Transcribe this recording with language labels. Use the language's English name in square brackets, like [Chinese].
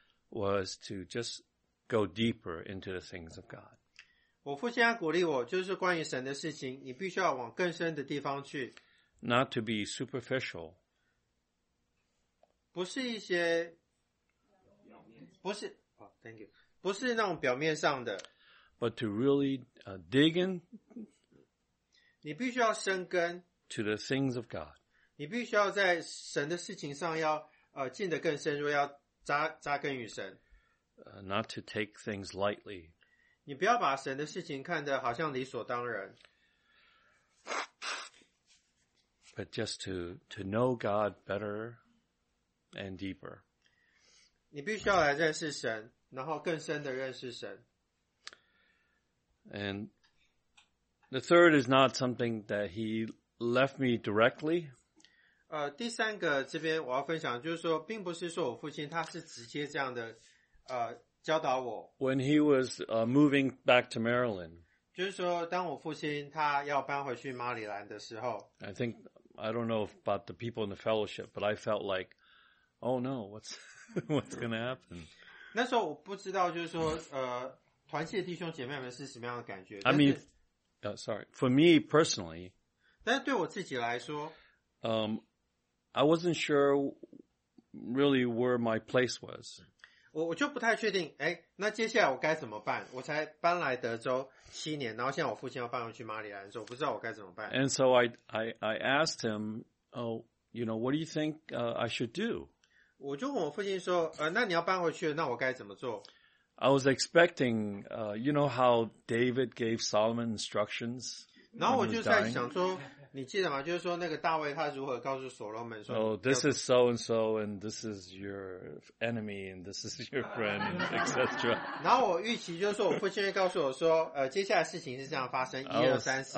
[English] Was to just go deeper into the things of God. [Chinese] 我父亲他鼓励我就是关于神的事情你必须要往更深的地方去。 [English] Not to be superficial. [Chinese] 不是一些不是、 [English] thank you. [Chinese] 不是那种表面上的。 [English] But to really dig in. [Chinese] 你必须要深根。 [English] To the things of God. [Chinese] 你必须要在神的事情上要进得更深入要扎根于神。 [English] Not to take things lightly. [Chinese] 你不要把神的事情看得好像理所当然。 [English] But just to know God better and deeper. [Chinese] 你必须要来认识神，然后更深的认识神。 [English] And the third is not something that he left me directly. [Chinese] 第三个这边我要分享，就是说，并不是说我父亲他是直接这样的，教导我。 [English] When he was moving back to Maryland. [Chinese] 就是说，当我父亲他要搬回去马里兰的时候。 [English] I don't know about the people in the fellowship, but I felt like, oh no, what's going to happen? [Chinese] 那时候我不知道，就是说，团契的弟兄姐妹们是什么样的感觉。 [English] I mean, sorry, for me personally. [Chinese] 但是对我自己来说 [English] ，I wasn't sure really where my place was. [Chinese] 我就不太确定，哎，那接下来我该怎么办？我才搬来德州。七年，然后现在我父亲要搬回去马里兰，所以我不知道我该怎么办。 [English] And so I asked him, oh, you know, what do you think I should do? [Chinese] 我就问我父亲说，那你要搬回去，那我该怎么做 [English] ？I was expecting, you know how David gave Solomon instructions. [Chinese] 然后我就在想说，你记得吗？就是说那个大卫他如何告诉所罗门说 [English] ，Oh, this is so and so, and this is your enemy, and this is your friend, etc. [Chinese] 然后我预期就是说我父亲会告诉我说，接下来事情是这样发生，一二三四。